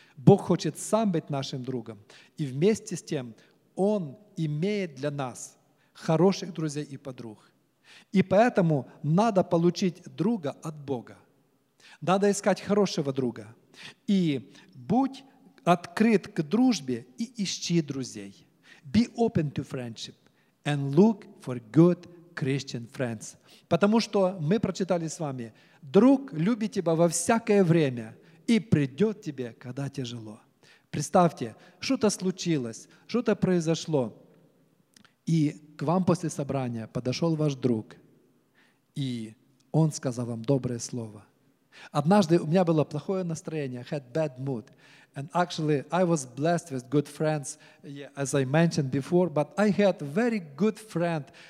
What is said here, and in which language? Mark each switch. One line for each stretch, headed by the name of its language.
Russian: Бог хочет сам быть нашим другом. И вместе с тем Он имеет для нас хороших друзей и подруг. И поэтому надо получить друга от Бога. Надо искать хорошего друга. И будь открыт к дружбе и ищи друзей.
English: Be open to friendship and look for good Christian friends.
Russian: Потому что мы прочитали с вами, друг любит тебя во всякое время и придет тебе, когда тяжело. Представьте, что-то случилось, что-то произошло, и к вам после собрания подошел ваш друг, и он сказал вам доброе слово. Однажды у меня было плохое настроение,
English: I had bad mood. And actually, I was blessed with good friends, as I mentioned before, but I had very good friend.